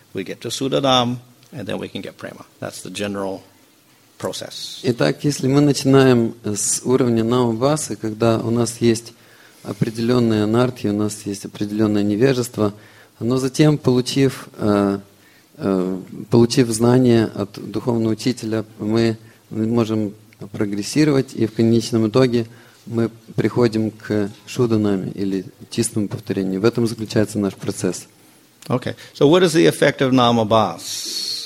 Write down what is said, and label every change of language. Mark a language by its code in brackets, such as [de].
[en] We get to Sudanam, and then we can get prema. That's the general process. [ru] Итак, если мы начинаем с уровня Намабасы, когда у нас есть определенные анартхи, у нас есть определенное невежество, но затем, получив знания от духовного учителя, мы можем прогрессировать, и в конечном итоге мы приходим к шуданаме или чистому повторению. В этом заключается наш процесс. [en] Okay. So what is the effect of Namabas?